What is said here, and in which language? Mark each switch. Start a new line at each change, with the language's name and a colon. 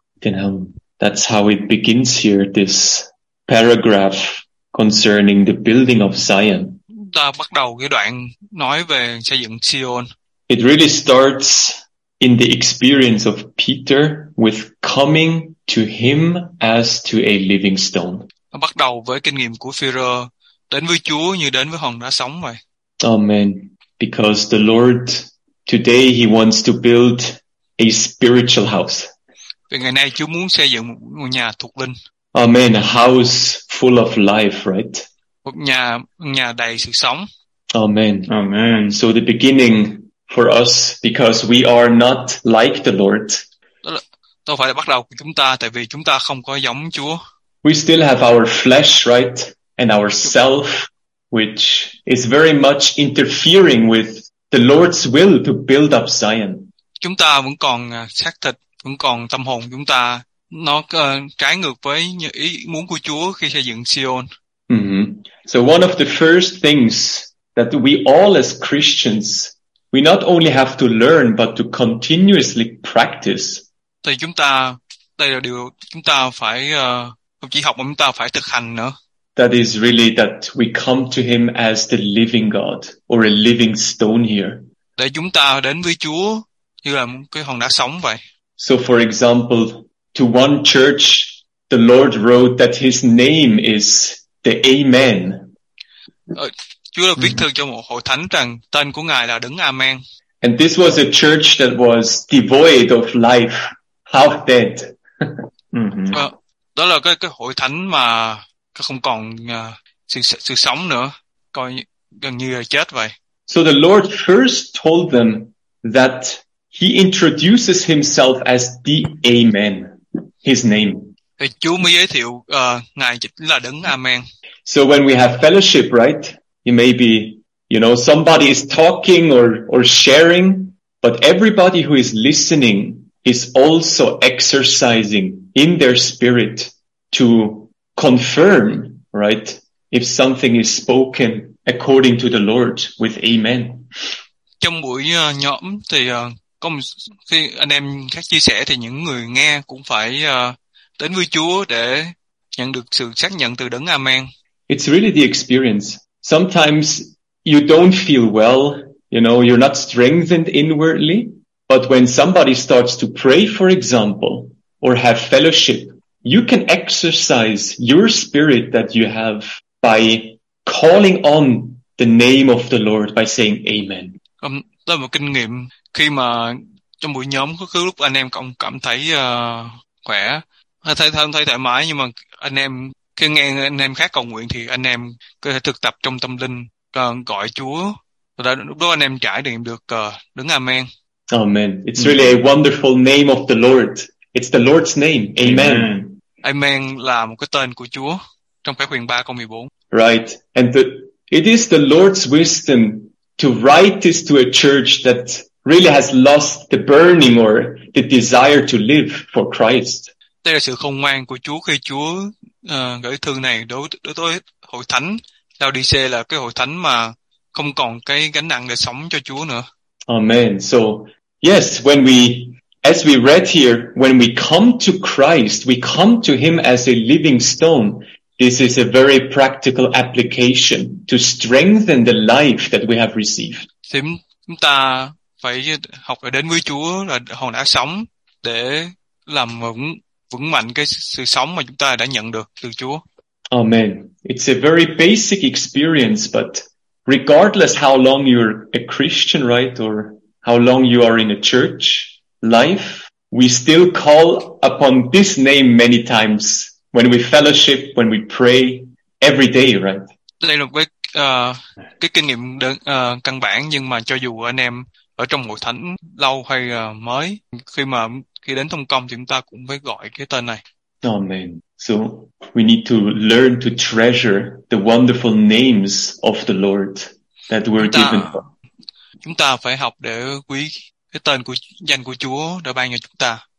English: Then, that's how it begins here, this paragraph concerning the building of Zion.
Vietnamese: Ta bắt đầu cái đoạn nói về xây dựng Sion.
English: It really starts in the experience of Peter with coming to him as to a living stone.
Vietnamese: Nó bắt đầu với kinh nghiệm của Phi-rơ đến với Chúa như đến với hòn đá sống vậy.
English: Amen. Because the Lord today he wants to build a spiritual house.
Vietnamese: Vì ngày nay Chúa muốn xây dựng một ngôi nhà thuộc linh.
English: Amen. A house full of life, right?
Vietnamese: Nhà đầy sự sống.
English: Amen. Amen. So the beginning for us, because we are not like the Lord.
Vietnamese: Tôi phải bắt đầu của chúng ta, tại vì chúng ta không có giống Chúa.
English: We still have our flesh, right? And our self, which is very much interfering with the Lord's will to build up Zion.
Vietnamese: Chúng ta vẫn còn xác thịt, vẫn còn tâm hồn chúng ta. Nó trái ngược với ý muốn của Chúa khi xây dựng Sion.
English: So one of the first things that we all as Christians, we not only have to learn but to continuously practice.
Vietnamese: Thì chúng ta, đây là điều chúng ta phải không chỉ học mà chúng ta phải thực hành nữa.
English: That is really that we come to him as the living God or a living stone here.
Vietnamese: Để chúng ta đến với Chúa như là một cái hòn đá sống vậy.
English: So for example, to one church the Lord wrote that his name is the Amen.
Vietnamese: Chúa đã viết thư cho một hội thánh rằng tên của Ngài là Đấng Amen.
English: And this was a church that was devoid of life, half dead.
Vietnamese: Đó là cái hội thánh mà không còn sự sống nữa, coi gần như là chết vậy.
English: So the Lord first told them that he introduces himself as the Amen, his name.
Vietnamese: Chúa mới giới thiệu Ngài chính là Đấng Amen.
English: So when we have fellowship, right? You may be, you know, somebody is talking or sharing, but everybody who is listening is also exercising in their spirit to confirm, right? If something is spoken according to the Lord with Amen.
Vietnamese: Trong buổi nhóm thì có một, khi anh em khác chia sẻ thì những người nghe cũng phải đến với Chúa để nhận được sự xác nhận từ Đấng Amen.
English: It's really the experience. Sometimes you don't feel well, you know, you're not strengthened inwardly, but when somebody starts to pray, for example, or have fellowship, you can exercise your spirit that you have by calling on the name of the Lord by saying amen.
Vietnamese: Đó là một kinh nghiệm khi mà trong buổi nhóm có lúc anh em cũng cảm thấy khỏe, thấy thoải mái, nhưng mà anh em khi nghe anh em khác cầu nguyện thì anh em có thể thực tập trong tâm linh gọi Chúa. Và lúc đó anh em trải nghiệm được Đấng Amen.
English: Amen. It's really a wonderful name of the Lord. It's the Lord's name. Amen.
Vietnamese: Amen là một cái tên của Chúa trong Phép Huyền 3 câu 14.
English: Right. And it is the Lord's wisdom to write this to a church that really has lost the burning or the desire to live for Christ.
Vietnamese: Đây là sự khôn ngoan của Chúa khi Chúa gửi thư này đối với hội thánh Laodice, là cái hội thánh mà không còn cái gánh nặng để sống cho Chúa nữa.
English: Amen. So, yes, as we read here, when we come to Christ, we come to him as a living stone. This is a very practical application to strengthen the life that we have received.
Vietnamese: Thì chúng ta phải học để đến với Chúa là hòn đá sống để làm vững mạnh cái sự sống mà chúng ta đã nhận được từ Chúa.
English: Amen. It's a very basic experience, but regardless how long you're a Christian, right, or how long you are in a church life, we still call upon this name many times when we fellowship, when we pray every day, right?
Vietnamese: Đây là cái kinh nghiệm căn bản, nhưng mà cho dù anh em ở trong hội thánh lâu hay mới, khi đến thông công thì chúng ta cũng phải gọi cái tên này.
English: Amen. So we need to learn to treasure the wonderful names of the Lord that were given.
Vietnamese: Chúng ta phải học để quý cái tên của danh của Chúa đã ban cho chúng ta.